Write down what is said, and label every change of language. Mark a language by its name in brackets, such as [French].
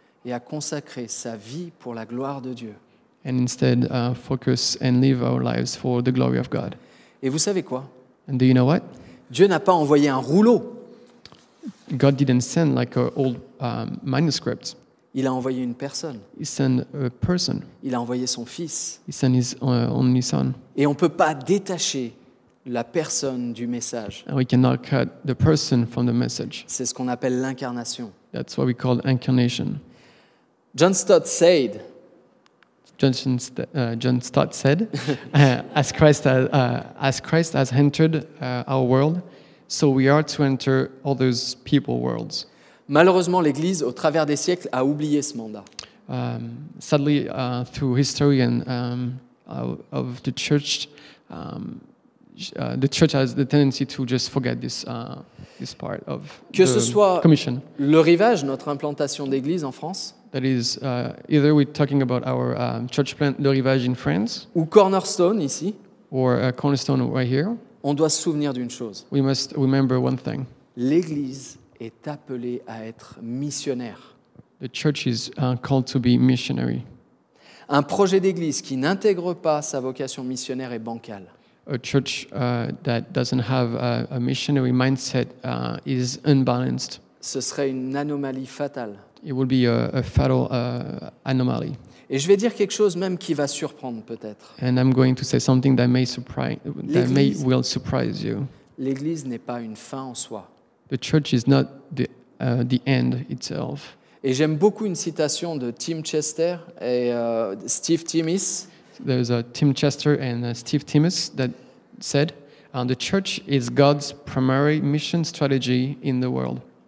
[French] Et à consacrer sa vie pour la gloire de Dieu. [English] And instead focus and live our lives for the glory of God. [French] Et vous savez quoi? [English] And do you know what? [French] Dieu n'a pas envoyé un rouleau. [English] God didn't send like an old manuscript. [French] Il a envoyé une personne. [English] He sent a person. [French] Il a envoyé son fils. [English] He sent his only son. [French] Et on ne peut pas détacher la personne du message. [English] And we cannot cut the person from the message. [French] C'est ce qu'on appelle l'incarnation. [English] That's what we call incarnation. John Stott said. John Stott said, as Christ has entered our world, so we are to enter other people's worlds. [French] Malheureusement, l'Église, au travers des siècles, a oublié ce mandat. [English] Sadly, through history and of the church. The church has the tendency to just forget this this part of [French] que [English] the [French] ce soit [English] commission. [French] Le rivage, notre implantation d'église en France. [English] That is either we're talking about our church plant, Le Rivage in France, [French] ou Cornerstone ici, [English] or Cornerstone right here. [French] On doit se souvenir d'une chose. [English] We must remember one thing. [French] L'église est appelée à être missionnaire. [English] The church is called to be missionary. [French] Un projet d'église qui n'intègre pas sa vocation missionnaire est bancal. [English] A church that doesn't have a missionary mindset is unbalanced. [French] Ce serait une anomalie fatale. [English] It will be a fatal anomaly. [French] Et je vais dire quelque chose même qui va surprendre peut-être. [English] And I'm going to say something that may surprise will surprise you. [French] L'église n'est pas une fin en soi. [English] The church is not the end itself. [French] Et j'aime beaucoup une citation de Tim Chester et Steve Timmis. [English] There's a Tim Chester and Steve Timmis that said, "The church is God's primary mission strategy in the world."